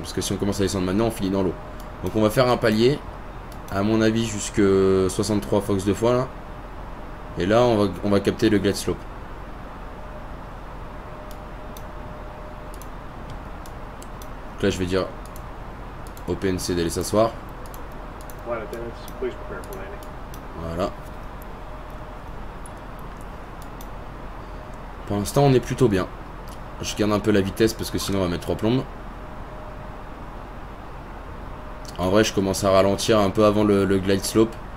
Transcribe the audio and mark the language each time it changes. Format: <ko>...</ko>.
<fr>Parce que si on commence à descendre maintenant, on finit dans l'eau. Donc on va faire un palier. À mon avis, jusque 63 Fox deux fois là. Et là, on va capter le glide slope. Donc là, je vais dire au PNC d'aller s'asseoir.</fr> <en>flight attendants, please prepare for landing.</en> <fr>Voilà. Pour l'instant, on est plutôt bien. Je garde un peu la vitesse parce que sinon, on va mettre 3 plombes. En vrai, je commence à ralentir un peu avant le glide slope.</fr>